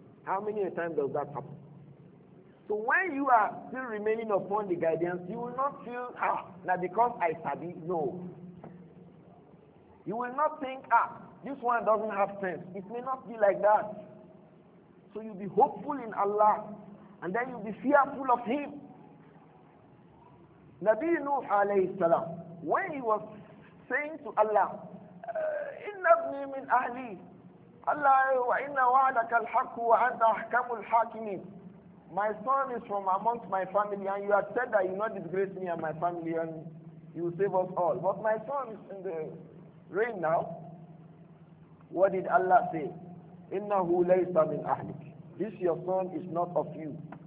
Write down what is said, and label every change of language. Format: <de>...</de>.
<en>How many times does that happen? So when you are still remaining upon the guidance, you will not feel, now because I study, no. You will not think, this one doesn't have sense. It may not be like that. So you'll be hopeful in Allah, and then you'll be fearful of Him. Nabi Nuh alayhi salam, when he was saying to Allah,</en> <ar>إِنَّ ابْنِي مِنْ أَهْلِي أَلَّا وَإِنَّ وَعَدَكَ الْحَقُّ وَأَنْتَ أَحْكَمُ الْحَاكِمِينَ.</ar> <en>My son is from amongst my family, and you have said that you will not disgrace me and my family, and you will save us all. But my son is in the rain now. What did Allah say?</en> <ar>إِنَّهُ لَيْسَ مِنْ أَهْلِكِ.</ar> <en>This your son is not of you.</en>